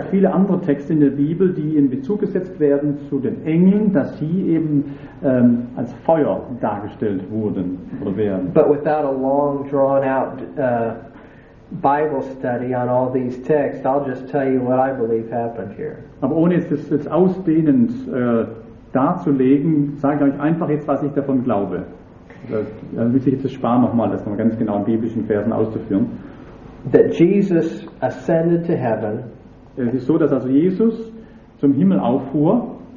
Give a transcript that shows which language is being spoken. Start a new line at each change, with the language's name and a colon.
German: Es gibt viele andere Texte in der Bibel, die in Bezug gesetzt werden zu den Engeln, dass sie eben als Feuer dargestellt wurden oder werden.
English: But without a long drawn out Bible study on all these texts, I'll just tell you what I believe happened here.
German: Aber ohne es jetzt ausdehnend darzulegen, sage ich euch einfach jetzt, was ich davon glaube. Das will ich jetzt sparen nochmal, das nochmal ganz genau in biblischen Versen auszuführen.
English: That Jesus ascended to heaven.
German: Es ist so, dass also Jesus zum Himmel auffuhr.